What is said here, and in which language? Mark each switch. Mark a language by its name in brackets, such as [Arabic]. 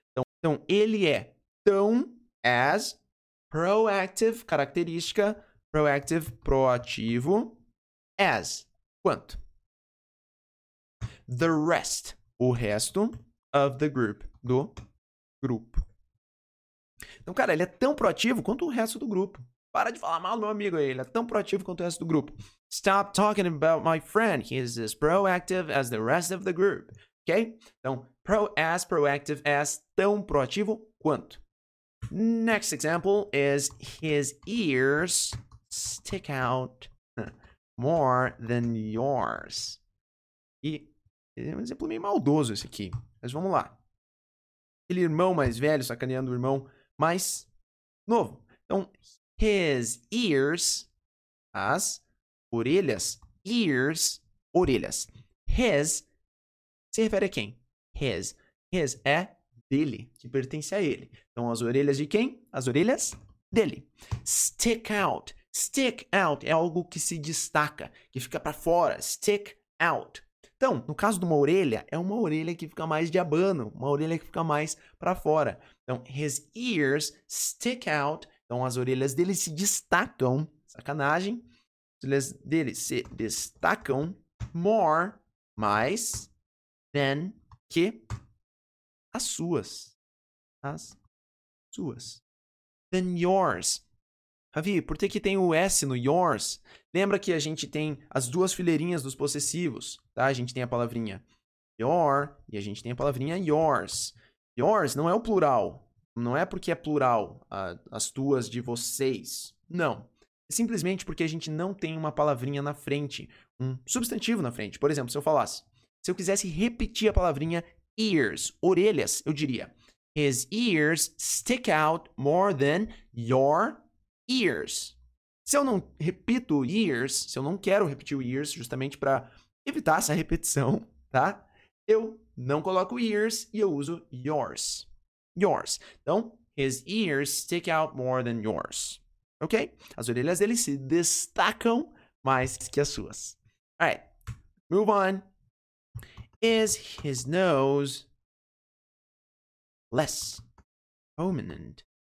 [Portuguese] Então, ele é tão as proactive, característica, proactive, proativo, as. Quanto? [English] The rest, [Portuguese] o resto [English] of the group, [Portuguese] do grupo. Então, cara, ele é tão proativo quanto o resto do grupo. Para de falar mal do meu amigo aí. Ele é tão proativo quanto o resto do grupo. [English] Stop talking about my friend. He is as proactive as the rest of the group. Ok? [Portuguese] Então, [English] as proactive as, [Portuguese] tão proativo quanto. [English] Next example is his ears stick out more than yours. [Portuguese] E é um exemplo meio maldoso esse aqui. Mas vamos lá. Aquele irmão mais velho sacaneando o irmão mais novo. Então, his ears, as orelhas, ears, orelhas. His, se refere a quem? His. His é dele, que pertence a ele. Então, as orelhas de quem? As orelhas dele. [English] Stick out. [Portuguese] Stick out é algo que se destaca, que fica pra fora. Stick out. Então, no caso de uma orelha, é uma orelha que fica mais de abano, uma orelha que fica mais pra fora. Então, [English] his ears stick out. [Portuguese] Então, as orelhas dele se destacam, sacanagem, as orelhas dele se destacam more, mais, than, que, as suas, [English] than yours. [Portuguese] Javi, por que que tem o S no yours? Lembra que a gente tem as duas fileirinhas dos possessivos, tá? A gente tem a palavrinha your e a gente tem a palavrinha yours. Yours não é o plural. Não é porque é plural as tuas de vocês. Não. É simplesmente porque a gente não tem uma palavrinha na frente. Um substantivo na frente. Por exemplo, se eu falasse. Se eu quisesse repetir a palavrinha ears, orelhas, eu diria. [English] His ears stick out more than your ears. [Portuguese] Se eu não repito ears, se eu não quero repetir o ears justamente para evitar essa repetição, tá? Eu não coloco ears e eu uso yours. [English] Yours. [Portuguese] Então, [English] his ears stick out more than yours. Ok? [Portuguese] As orelhas dele se destacam mais que as suas. [English] Alright. Move on. Is his nose less prominent?